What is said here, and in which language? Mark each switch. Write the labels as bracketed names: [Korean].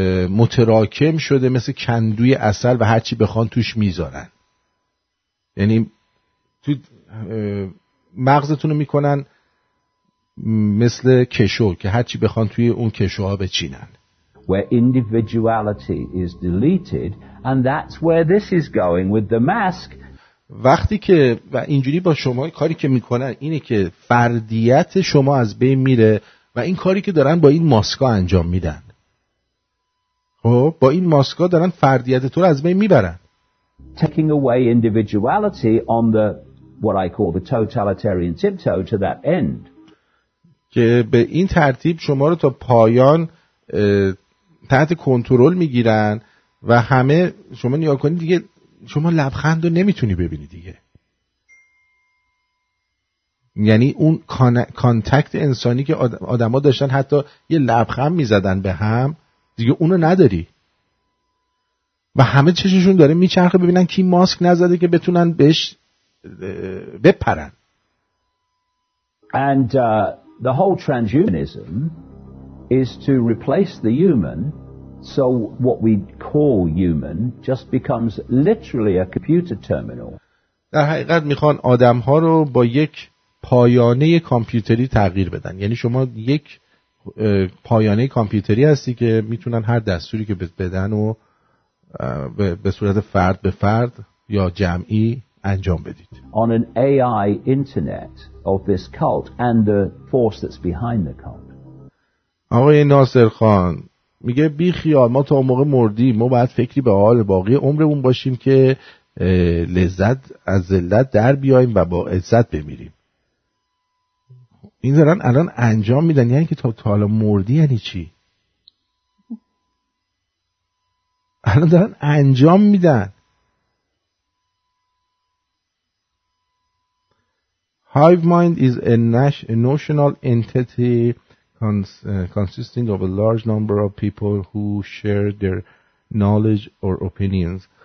[Persian] متراکم شده مثل کندوی عسل و هرچی بخوان توش میذارن، یعنی تو مغزتون رو میکنن مثل کشو که هرچی بخوان توی اون کشوها بچینن. [English] Where individuality is deleted and that's where this is going with the mask. [Persian] وقتی که و اینجوری با شما کاری که میکنن اینه که فردیت شما از بین میره و این کاری که دارن با این ماسکا انجام میدن. خب با این ماسکا دارن فردیت تو رو از بین میبرن. [English] Taking away individuality on the what I call the totalitarian tiptoe to that end. [Persian] که به این ترتیب شما رو تا پایان تحت کنترل میگیرن و همه شما نیا کنید دیگه شما لبخند رو نمیتونی ببینی دیگه، یعنی اون کانتکت انسانی که آدم ها داشتن حتی یه لبخند میزدن به هم دیگه اونو نداری و همه چششون داره میچرخه ببینن کی ماسک نزده که بتونن بهش بپرن. [English] And the whole transhumanism is to replace the human, so what we call human just becomes literally a computer terminal. [Persian] در حقیقت میخوان آدمها رو با یک پایانه کامپیوتری تغییر بدن، یعنی شما یک پایانه کامپیوتری هستی که میتونن هر دستوری که بدن و به صورت فرد به فرد یا جمعی انجام بدید. [English] On an AI internet of this cult and the force that's behind the cult. [Persian] آقای ناصر خان میگه بی خیال ما تا موقع مردیم ما باید فکری به حال باقی عمرمون باشیم که لذت از ذلت در بیاییم و با عزت بمیریم. این دارن الان انجام میدن، یعنی که تا حالا مردی یعنی چی؟ الان دارن انجام میدن. [English] Hive mind is a notional entity consisting of a large number of people who share their knowledge or opinions.